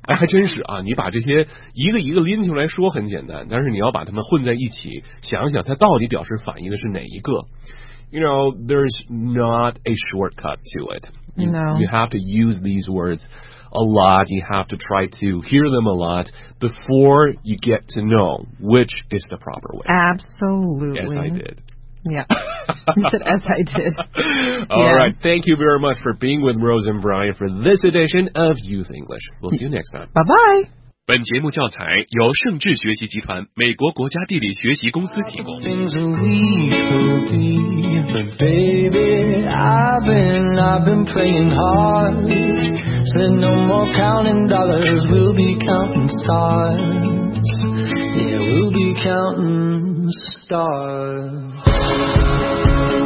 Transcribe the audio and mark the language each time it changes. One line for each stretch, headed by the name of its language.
Chinese: 哎，还真是啊，你把这些一个一个拎出来说很简单，但是你要把它们混在一起，想想它到底表示反应的是哪一个。
English: You know, there's not a shortcut to it. No. You have to use these words a lot. You have to try to hear them a lot before you get to know which is the proper way. Absolutely. Yes, I did. Yeah, as I did. All right. Thank you very much for being with Rose and Brian for this edition of Youth English. We'll see you next time. Bye-bye.
Chinese: 本节目教材由盛智学习集团美国国家地理学习公司提供。
English: Things we could be, but baby, I've been playing hard. Said no more counting dollars, we'll be counting stars. Yeah, we'll be counting stars.